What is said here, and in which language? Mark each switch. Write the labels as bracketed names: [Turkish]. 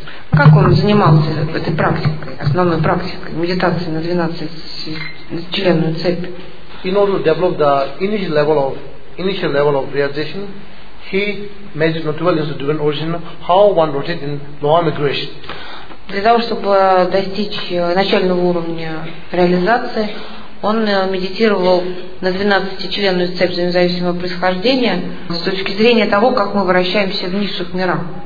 [Russian] Как он занимался этой практикой, основной практикой, медитацией на 12-членную цепь? [English] In order to develop the initial level of realization, he made the 12 different origin how one rotates in lower migration. [Russian] Для того, чтобы достичь начального уровня реализации, он медитировал на 12-членную цепь взаимозависимого происхождения с точки зрения того, как мы вращаемся в низших мирах.